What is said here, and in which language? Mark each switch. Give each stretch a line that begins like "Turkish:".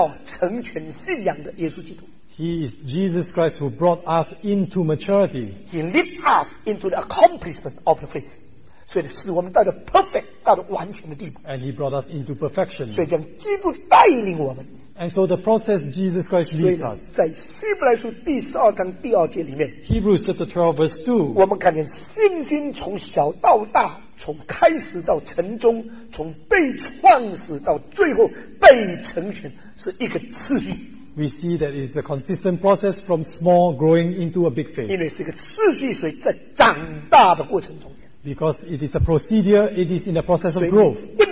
Chinese: 他翻译他是带领我们这道成全信仰的耶稣基督。
English: He is Jesus Christ who brought us into maturity. He led us into the accomplishment of the faith.
Chinese: 所以使我们到了 perfect, 到了完全的地步。
English: And He brought us into perfection.
Chinese: 所以将基督带领我们。
English: And so the process Jesus Christ leads us.
Chinese: 在希伯来书第12章第2节里面,
English: Hebrews chapter 12 verse 2,
Chinese: 我们看见信心从小到大, 从开始到成终, 从被创始到最后被成全, 是一个次序。
English: We see that it is a consistent process from small growing into a big faith. Because it is a procedure, it is in the process of growth.